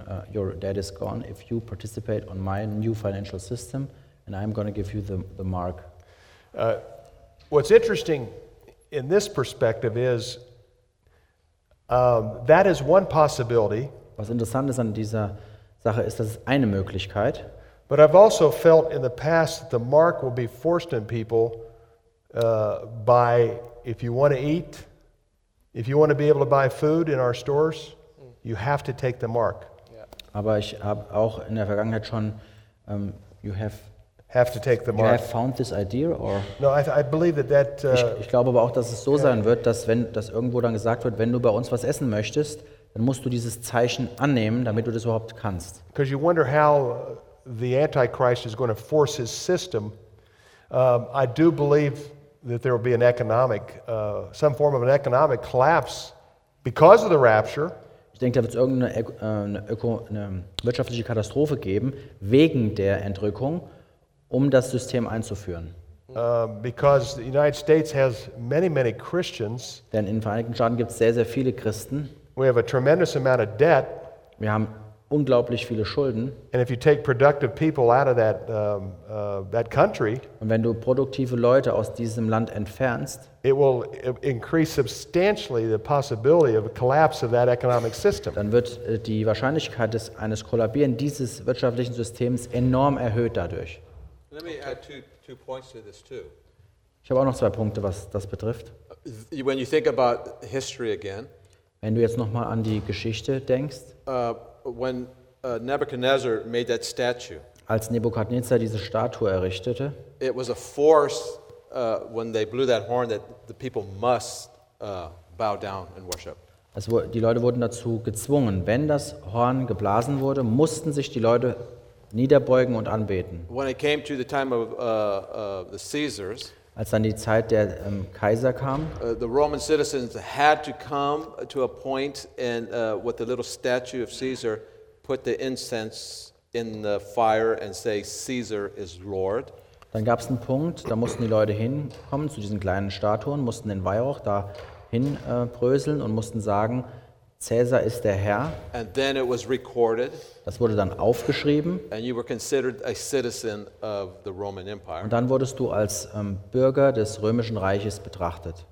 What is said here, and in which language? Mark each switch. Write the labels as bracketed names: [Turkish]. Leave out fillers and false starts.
[English] Your dad is gone if you participate on my new financial system and I'm going to give you the mark. What's interesting in this perspective is that is one possibility. [German] Was interessant ist an dieser Sache ist, dass es eine Möglichkeit. [English] But I've also felt in the past that the mark will be forced on people by if you want to eat, if you want to be able to buy food in our stores, you have to take the mark. Yeah. [German] Aber ich habe auch in der Vergangenheit schon [English] have to take the you mark. Have found this idea or no, I believe that [German] ich glaube aber auch, dass es so yeah. sein wird, dass wenn das irgendwo dann gesagt wird, wenn du bei uns was essen möchtest, dann musst du dieses Zeichen annehmen, damit du das überhaupt kannst. [English] Because you wonder how the Antichrist is going to force his system. I do believe that there will be an economic, some form of an economic collapse because of the rapture. [German] Ich denke, da wird es irgendeine eine wirtschaftliche Katastrophe geben wegen der Entrückung, um das System einzuführen. [English] Because the United States has many, many Christians. [German] Denn in den Vereinigten Staaten gibt es sehr, sehr viele Christen. [English] We have a tremendous amount of debt. [German] Wir haben unglaublich viele Schulden. [English] And if you take productive people out of that that country, [German] und wenn du produktive Leute aus diesem Land entfernst, [English] it will increase substantially the possibility of a collapse of that economic system. [German] Dann wird die Wahrscheinlichkeit des eines Kollabieren dieses wirtschaftlichen Systems enorm erhöht dadurch. [English] Let me add two points to this too. [German] Ich habe auch noch zwei Punkte, was das betrifft. [English] When you think about history again, [German] wenn du jetzt noch mal an die Geschichte denkst, [English] when Nebuchadnezzar made that statue, [German] als Nebukadnezar diese Statue errichtete, [English] it was a force when they blew that horn that the people must bow down and worship. [German] Also die Leute wurden dazu gezwungen, wenn das Horn geblasen wurde, mussten sich die Leute niederbeugen und anbeten. [English] When it came to the time of the Caesars, [German] als dann die Zeit der Kaiser kam, [English] the Roman citizens had to come to a point and with the little statue of Caesar put the incense in the fire and say Caesar is Lord. [German] Dann gab es einen Punkt, da mussten die Leute hinkommen zu diesen kleinen Statuen, mussten den Weihrauch da hinbröseln und mussten sagen, Caesar ist der Herr. [English] And then it was recorded. [German] Das wurde dann aufgeschrieben. [English] And you were considered a citizen of the Roman Empire. [German] Und dann wurdest du als Bürger des Römischen Reiches betrachtet.